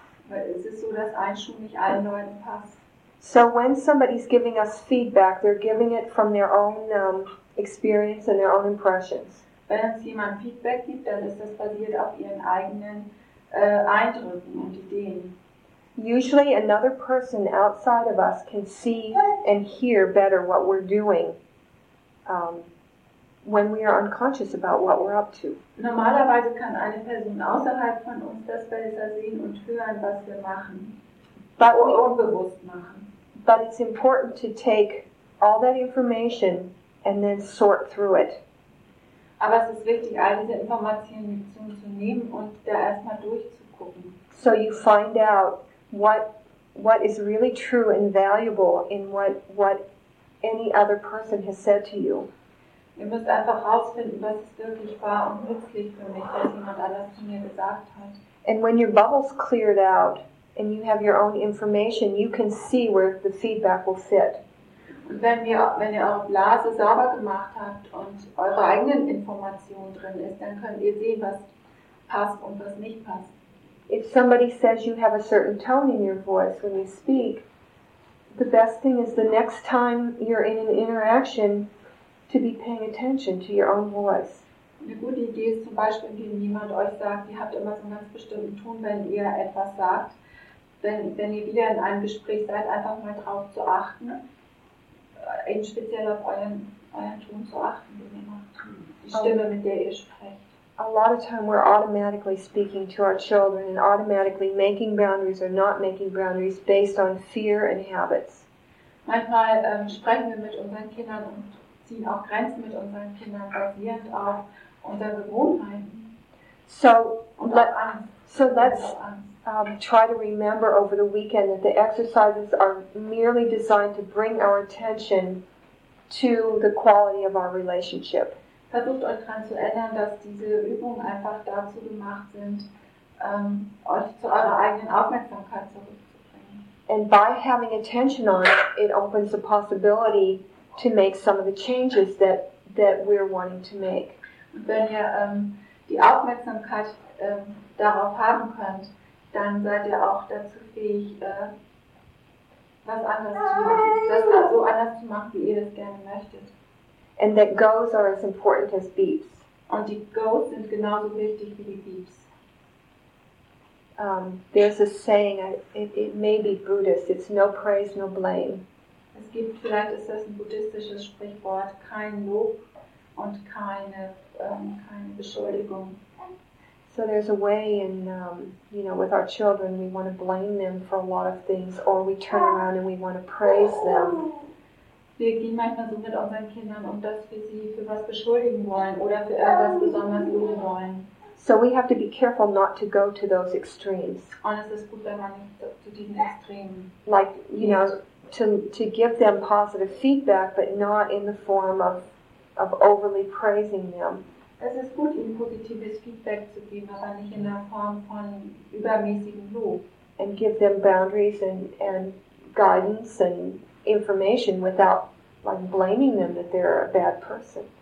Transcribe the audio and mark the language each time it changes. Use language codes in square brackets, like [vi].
[de] Es ist so, dass ein Schuh nicht allen Leuten passt. [en] So when somebody's giving us feedback, they're giving it from their own experience and their own impressions. [de] Wenn uns jemand Feedback gibt, dann ist das basiert auf ihren eigenen Eindrücken und Ideen. [en] Usually another person outside of us can see and hear better what we're doing when we are unconscious about what we're up to. [de] Normalerweise kann eine Person außerhalb von uns das besser sehen und hören, was wir machen. [en] But [de] oder unbewusst machen. [en] But it's important to take all that information and then sort through it. [de] Aber es ist wichtig, all diese Informationen zu nehmen und da erstmal durchzugucken. [en] So you find out what is really true and valuable in what any other person has said to you. [de] Ihr müsst einfach herausfinden, was ist wirklich wahr und nützlich für mich, was jemand anders zu mir gesagt hat. [en] And when your bubble's cleared out and you have your own information, you can see where the feedback will fit. [de] Wenn ihr eure Blase sauber gemacht habt und eure eigenen Informationen drin ist, dann könnt ihr sehen, was passt und was nicht passt. [en] If somebody says you have a certain tone in your voice when you speak, the best thing is the next time you're in an interaction to be paying attention to your own voice. [de] Eine gute Idee ist zum Beispiel, wenn jemand euch sagt, ihr habt immer so einen ganz bestimmten Ton, wenn ihr etwas sagt, wenn ihr wieder in einem Gespräch seid, einfach mal drauf zu achten, eben speziell auf euren Ton zu achten, den ihr macht, die Stimme, mit der ihr sprecht. [en] A lot of time we're automatically speaking to our children and automatically making boundaries or not making boundaries based on fear and habits. [de] Manchmal sprechen wir mit unseren Kindern und ziehen auch Grenzen mit unseren Kindern basierend auf unseren Gewohnheiten. [en] So let's try to remember over the weekend that the exercises are merely designed to bring our attention to the quality of our relationship. [de] Versucht euch daran zu erinnern, dass diese Übungen einfach dazu gemacht sind, euch zu eurer eigenen Aufmerksamkeit zurückzubringen. [en] And by having attention on it, it opens the possibility to make some of the changes that we're wanting to make. [de] Und wenn ihr die Aufmerksamkeit darauf haben könnt, dann seid ihr auch dazu fähig, was anders zu machen, das so anders zu machen, wie ihr das gerne möchtet. [en] And that goes are as important as beeps. [de] Und die goes sind genauso wichtig wie die beeps. [en] There's a saying, it may be Buddhist, it's no praise, no blame. [de] Es gibt, vielleicht ist das ein buddhistisches Sprichwort, kein Lob und keine Beschuldigung. [en] So there's a way in, with our children, we want to blame them for a lot of things, or we turn around and we want to praise them. [de] Wir gehen manchmal so mit unseren Kindern um, dass wir sie für was beschuldigen wollen oder für etwas besonders loben wollen. [en] So we have to be careful not to go to those extremes. [de] Und es ist gut, wenn man nicht zu diesen Extremen. [en] Like, you know, to give them positive feedback, but not in the form of overly praising them. [de] Es ist gut, ihnen positives Feedback zu geben, aber nicht in der Form von übermäßigem Lob. [en] And give them boundaries and guidance and information without like blaming them that they're a bad person.